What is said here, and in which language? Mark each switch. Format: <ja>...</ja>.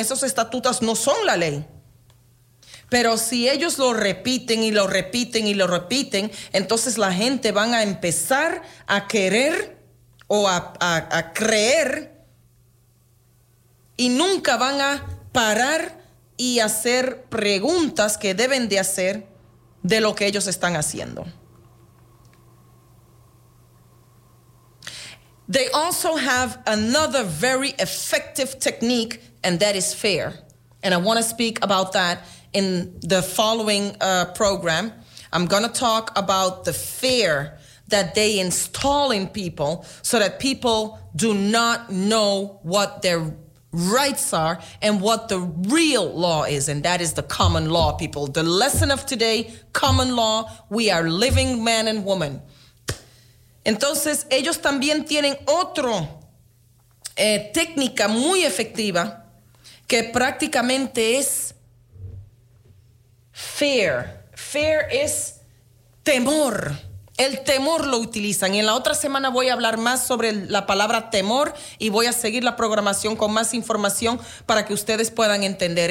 <es>Esos estatutos no son la ley. Pero si ellos lo repiten y lo repiten y lo repiten, entonces la gente van a empezar a querer o a creer y nunca van a parar y hacer preguntas que deben de hacer de lo que ellos están haciendo.</es> <en>They also have another very effective technique, and that is fear. And I want to speak about that in the following program. I'm going to talk about the fear that they install in people so that people do not know what their rights are and what the real law is, and that is the common law, people. The lesson of today, common law, we are living man and woman.</en> <es>Entonces, ellos también tienen otro técnica muy efectiva que prácticamente es fear. Fear is temor. El temor lo utilizan. Y en la otra semana voy a hablar más sobre la palabra temor y voy a seguir la programación con más información para que ustedes puedan entender.</es>